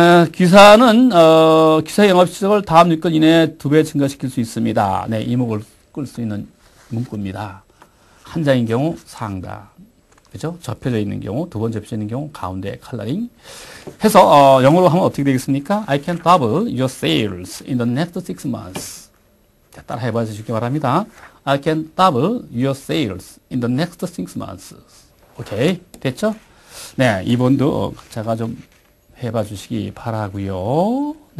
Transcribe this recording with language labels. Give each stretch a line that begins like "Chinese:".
Korean: 기사는 기사의 영업 실적을 다음 6개월 이내에 2배 증가시킬 수 있습니다. 네, 이목을 끌 수 있는 문구입니다. 한 장인 경우 상당. 그죠? 접혀져 있는 경우, 두번 접혀져 있는 경우, 가운데 컬러링. 해서, 영어로 하면 어떻게 되겠습니까?
English: I can double your sales in the next 6 months.
Korean: 자, 따라 해봐 주시기 바랍니다.
English: I can double your sales in the next 6 months.
Korean: 오케이. 됐죠? 네, 이번도 각자가 좀 해봐 주시기 바라고요.